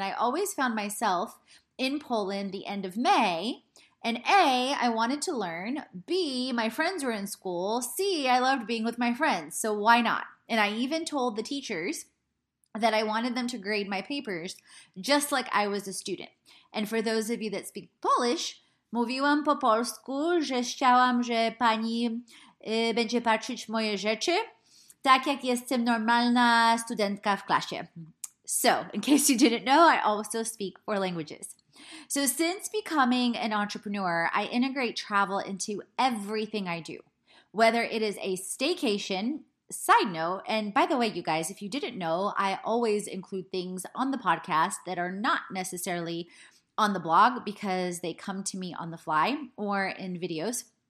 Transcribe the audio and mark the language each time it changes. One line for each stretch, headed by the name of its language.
English: And I always found myself in Poland the end of May. And A, I wanted to learn. B, my friends were in school. C, I loved being with my friends. So why not? And I even told the teachers that I wanted them to grade my papers just like I was a student. And for those of you that speak Polish,
Polish: mówiłam po polsku, że chciałam, że pani będzie patrzeć moje rzeczy, tak jak jestem normalna studentka w klasie.
English: So, in case you didn't know, I also speak four languages. So, since becoming an entrepreneur, I integrate travel into everything I do, whether it is a staycation. Side note, and by the way, you guys, if you didn't know, I always include things on the podcast that are not necessarily on the blog because they come to me on the fly or in videos.